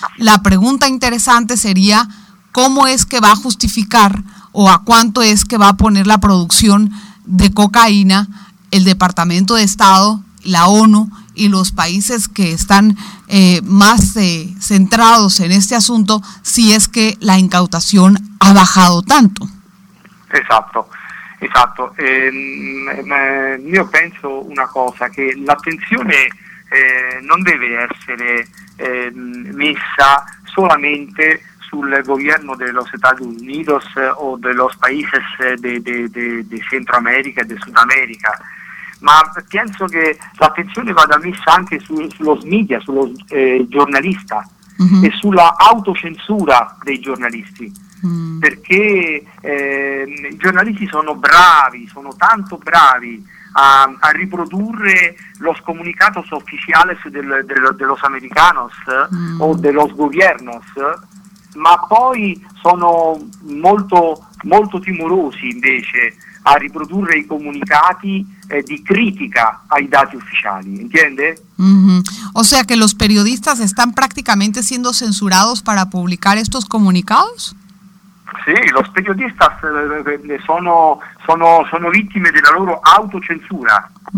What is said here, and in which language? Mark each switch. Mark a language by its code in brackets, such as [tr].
[es] La pregunta interesante sería, ¿cómo es que va a justificar o a cuánto es que va a poner la producción de cocaína el Departamento de Estado, la ONU y los países que están más centrados en este asunto, si es que la incautación ha bajado tanto? Exacto. [it] Esatto, io penso una cosa, che l'attenzione non deve essere messa solamente sul governo [es] de los Estados Unidos o de los países de Centro America e de Sud America, [it] ma penso che l'attenzione vada messa anche sullo media, sullo giornalista e sulla autocensura dei giornalisti. Perché i giornalisti sono bravi, sono tanto bravi a riprodurre [es] los comunicados oficiales de los americanos o de los gobiernos, [it] ma poi sono molto, molto timorosi invece a riprodurre i comunicati di critica ai dati ufficiali, [es] entiende? O sea que los periodistas están prácticamente siendo censurados para publicar estos comunicados? [it] Sì, [es] sí, los periodistas [it] sono vittime della loro autocensura.